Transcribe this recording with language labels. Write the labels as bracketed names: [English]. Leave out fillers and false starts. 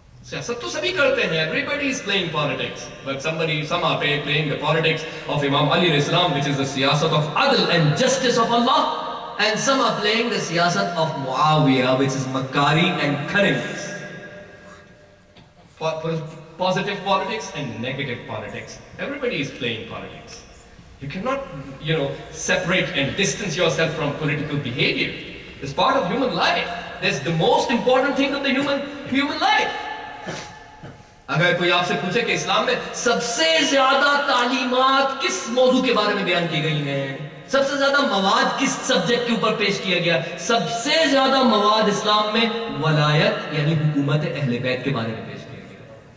[Urdu] سیاست تو سبھی کرتے ہیں [English] everybody is playing politics but somebody some are playing the politics of Imam Ali Islam which is the سیاست of عدل and justice of Allah And some are playing the siyasat of Muawiyah, which is Makkari and Kharijis. Positive politics and negative politics. Everybody is playing politics. You cannot, you know, separate and distance yourself from political behavior. It's part of human life. That's the most important thing of the human life. [Urdu] اگر کوئی آپ سے پوچھے کہ اسلام میں سب سے زیادہ تعلیمات کس موضوع کے بارے میں بیان کی گئی ہیں سب سے زیادہ مواد کس سبجیکٹ کے اوپر پیش کیا گیا سب سے زیادہ مواد اسلام میں ولایت یعنی حکومت اہل بیت کے بارے میں پیش کیا گیا